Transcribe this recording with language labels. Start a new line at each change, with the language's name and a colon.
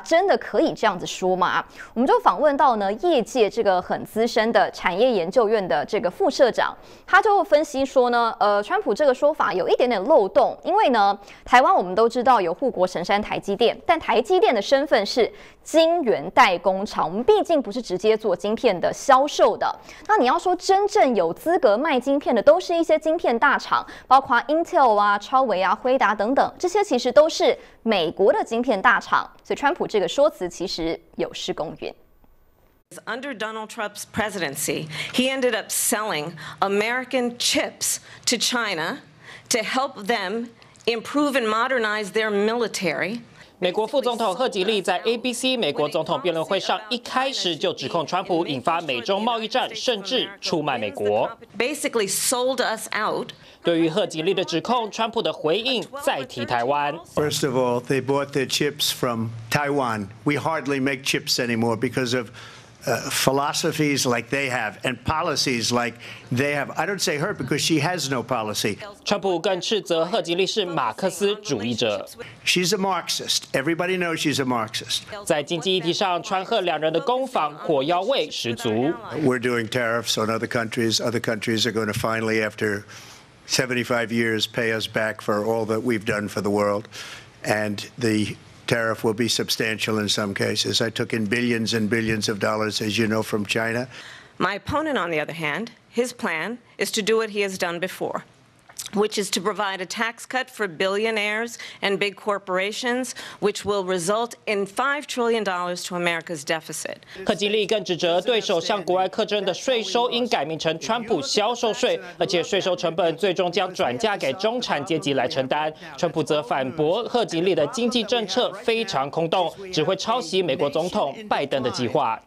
Chinese: 真的可以这样子说吗？我们就访问到呢业界这个很资深的产业研究院的这个副社长，他就分析说呢，川普这个说法有一点点漏洞，因为呢台湾我们都知道有护国神山台积电，但台积电的身份是晶圆代工厂，我们毕竟不是直接做晶片的销售的。那你要说真正有资格卖晶片的，都是一些晶片大厂，包括 Intel 啊、超微啊、辉达等等，这些其实都是美国的晶片大厂。所以，川普这个说辞其实有失公允。
English: Under Donald Trump's presidency, he ended up selling American chips to China to help them improve and modernize their military.
Chinese: 美国副总统贺锦丽在 ABC 美国总统辩论会上一开始就指控川普引发美中贸易战，甚至出卖美国。
English: Basically sold us out.
Chinese: 对于贺锦丽的指控，川普的回应再提台湾。
English: First of all, they bought their chips from Taiwan. We hardly make chips anymore because of philosophies like they have and policies like they have. I don't say her because she has no policy.
Chinese: 川普更斥责贺锦丽是马克思主义者。
English: She's a Marxist. Everybody knows she's a Marxist.
Chinese: 在经济议题上，川贺两人的攻防火药味十足。
English: We're doing tariffs on other countries. Other countries are going to finally, after 75 years, pay us back for all that we've done for the world. And the tariff will be substantial in some cases. I took in billions and billions of dollars, as you know, from China. My opponent, on the other hand, his plan is to do what he has done before. Which is to provide a tax cut for billionaires and big corporations, which will result in $5 trillion to America's deficit.
Chinese: 贺锦丽更指责对手向国外课征的税收应改名成川普销售税，而且税收成本最终将转嫁给中产阶级来承担。川普则反驳贺锦丽的经济政策非常空洞，只会抄袭美国总统拜登的计划。